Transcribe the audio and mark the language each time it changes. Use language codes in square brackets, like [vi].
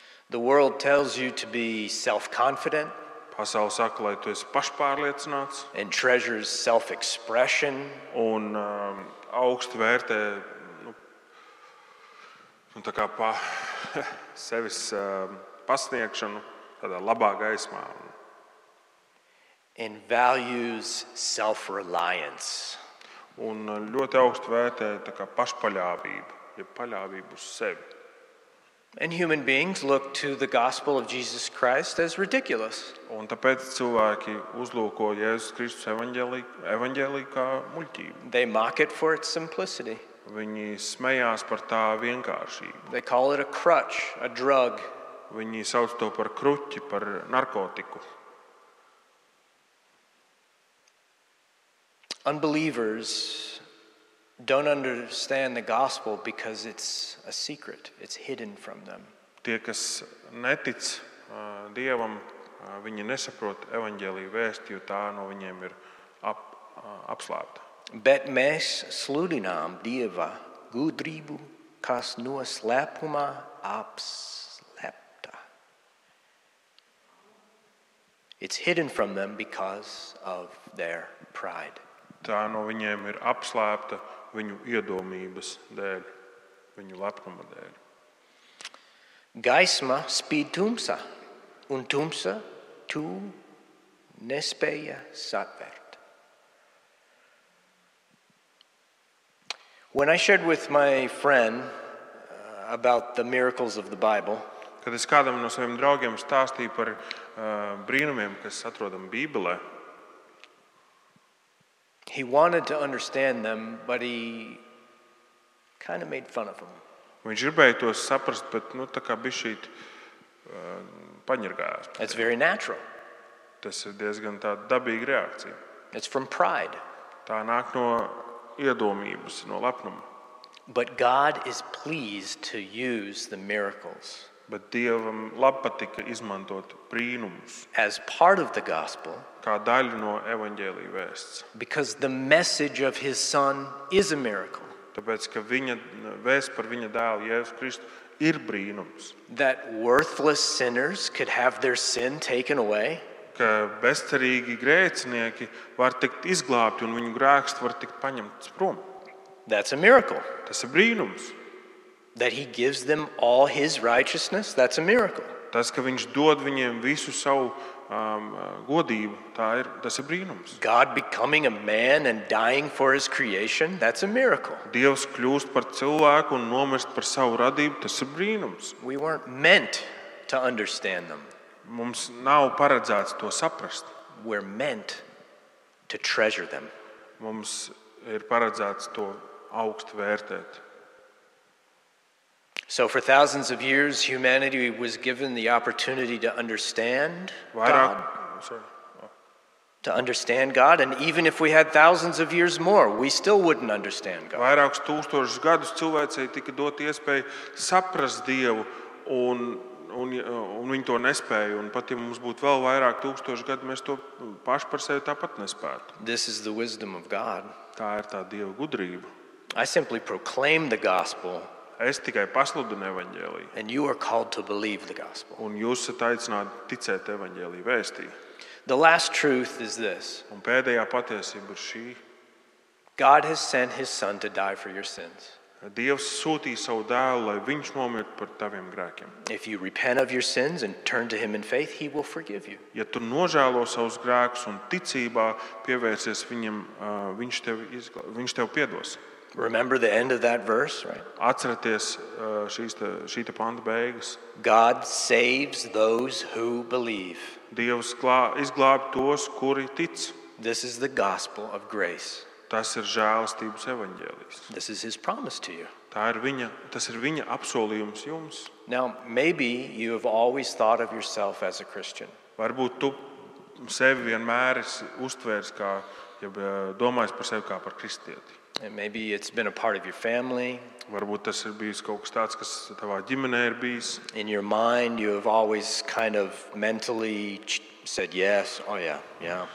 [en] The world tells you to be self-confident. [lv] Pasaule saka, lai tu esi pašpārliecināts. [en] And treasures self-expression. [lv] Un augstu vērtē, nu, tā kā pa sevis pasniegšanu tādā labā gaismā. [en] And values self-reliance. [lv] Un ļoti augstu vērtē tā kā pašpaļāvību, ja paļāvību uz sevi. [en] And human beings look to the gospel of Jesus Christ as ridiculous. [lv] Un tāpēc cilvēki uzlūko Jēzus Kristus evaņģēliju kā muļķību. [en] They mock it for its simplicity. [lv] Viņi smejās par tā vienkāršību. [en] They call it a crutch, a drug. [lv] Viņi sauc to par kruķi, par narkotiku. [en] Unbelievers don't understand the gospel because it's a secret. It's hidden from them. [lv] Tie, kas netic Dievam, viņi nesaprot evaņģēliju vēsti, jo tā no viņiem ir apslāpta. Bet mēs sludinām Dieva gudrību, kas noslēpumā apslēpta. [en] It's hidden from them because of their pride. [lv] Tā no viņiem ir apslēpta viņu iedomības dēļ, viņu lepnuma dēļ. Gaisma spīd tumsa, un tumsa tu nespēja satvert. [en] When I shared with my friend about the miracles of the Bible, [lv] kad es kādam no saviem draugiem stāstīju par brīnumiem, kas atrodam Bībelē, [en] he wanted to understand them, but he kind of made fun of them. [lv] Viņš gribēja to saprast, bet nu tā kā bišķīt paņirgājās. [en] It's very natural. [lv] Tas ir diezgan tā dabīga reakcija. [en] It's from pride. [lv] Tā nāk no iedomības, no lepnuma. [en] But God is pleased to use the miracles. [lv] Bet Dievam labpatika izmantot brīnumus. [en] As part of the gospel. [lv] Kā daļa no evaņģēlija vēsts. [en] Because the message of his son is a miracle. [lv] Tāpēc, ka viņa vēsts par viņa dēlu Jēzus Kristu ir brīnums. [en] That worthless sinners could have their sin taken away. [lv] Ka bezcerīgi grēcinieki var tikt izglābti un viņu grēks var tikt paņemts prom. [en] That's a miracle. [lv] Tas ir brīnums. [en] That he gives them all his righteousness, that's a miracle. [lv] Tas, ka viņš dod viņiem visu savu godību, tas ir brīnums. [en] God becoming a man and dying for his creation, that's a miracle. [lv] Dievs kļūst par cilvēku un nomirst par savu radību, tas ir brīnums. [en] We weren't meant to understand them. [lv] Mums nav paredzēts to saprast. [en] We're meant to treasure them. [lv] Mums ir paredzēts to augstu vērtēt. [en] So for thousands of years, humanity was given the opportunity to understand [lv] vairāk, [en] God. Sorry. to understand God, and even if we had thousands of years more, we still wouldn't understand God. [lv] Vairākus tūkstošus gadus cilvēcei tika dota iespēja saprast Dievu, un viņi to nespēja, un pat ja mums būtu vēl vairāk tūkstošu gadu, mēs to paši par sevi tāpat nespētu. [en] This is the wisdom of God. [lv] Tā ir tā Dieva gudrība. [en] I simply proclaim the gospel. [lv] Es tikai pasludinu evaņģēliju. [en] And you are called to believe the gospel. [lv] Un jūs esat aicināti ticēt evaņģēliju vēstī. [en] The last truth is this. [lv] Un pēdējā patiesība ir šī. [en] God has sent his son to die for your sins. [lv] Dievs sūtīja savu dēlu, lai viņš nomirtu par taviem grēkiem. [en] If you repent of your sins and turn to him in faith, he will forgive you. [lv] Ja tu nožēlo savus grēkus un ticībā pievērsies viņam, viņš tev piedos. [en] Remember the end of that verse, right? [lv] Atceraties šīta panta beigas. [en] God saves those who believe. [lv] Dievs izglābj tos, kuri tic. [en] This is the gospel of grace. [lv] Tas ir žēlastības evaņģēlijs. [en] This is his promise to you. [lv] Tas ir viņa apsolījums jums. [en] Now, maybe you have always thought of yourself as a Christian. [lv] Varbūt tu sevi vienmēr esi uztvērs kā, ja domājis par sevi kā par kristieti. [en] And maybe it's been a part of your family. [lv] Varbūt tas ir bijis kaut kas tāds, kas tavā ģimenē ir bijis. [en] In your mind, you have always kind of mentally said yes, oh yeah, yeah.